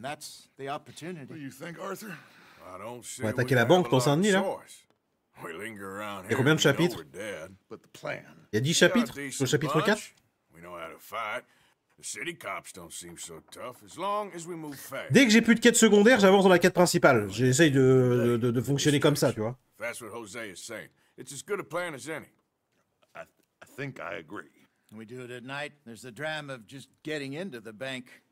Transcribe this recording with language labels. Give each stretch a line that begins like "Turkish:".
English: That's the opportunity. What do you think, Arthur? I don't see.
French: On va attaquer la banque dans Saint-Denis, là.
English: We linger around here.
French: Il y a combien de chapitres?
English: But the plan.
French: Il y a 10 chapitres. Au chapitre 4.
English: We know how to fight. The city cops don't seem so tough as long as we move fast.
French: Dès que j'ai plus de quête secondaire, j'avance dans la quête principale. J'essaye de fonctionner comme ça, tu vois.
English: That's what Jose is saying. It's as good a plan as any. I think I agree. And we do it at night. There's the dram of just getting into the bank.